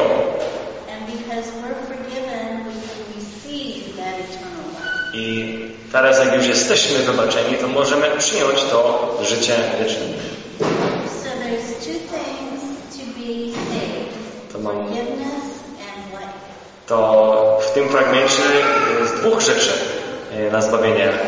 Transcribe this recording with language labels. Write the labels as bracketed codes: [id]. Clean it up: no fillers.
[en] And because we're forgiven, we can receive that eternal life. [pl] I teraz, jak już jesteśmy wybaczeni, to możemy przyjąć to życie wieczne. [en] So there's two things to be saved. Forgiveness and life. [pl] To w tym fragmencie jest dwóch rzeczy na zbawienie.